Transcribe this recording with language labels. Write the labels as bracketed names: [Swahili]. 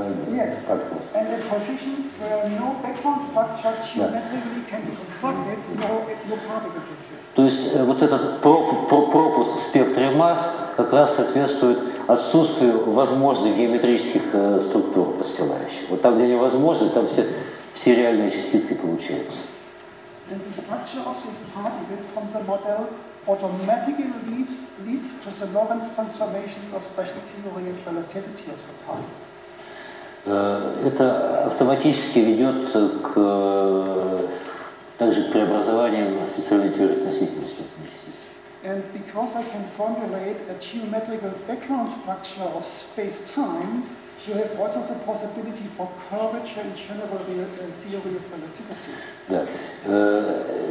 [English] yes. particles. And the positions where no background structure geometrically can be constructed, no particles exist. [Russian] То есть вот этот пропуск в спектре масс как раз соответствует отсутствию возможных геометрических структур подстилающих. Вот там, где невозможно, там все реальные частицы получаются. [English] And the structure of this particle from the model automatically leads to the Lorentz transformations of special theory of relativity of the particles. [Russian] Это автоматически ведет к также к преобразованию специальной теории относительности. [English] And because I can formulate a geometrical background structure of space-time, you have also the possibility for curvature in general theory of relativity.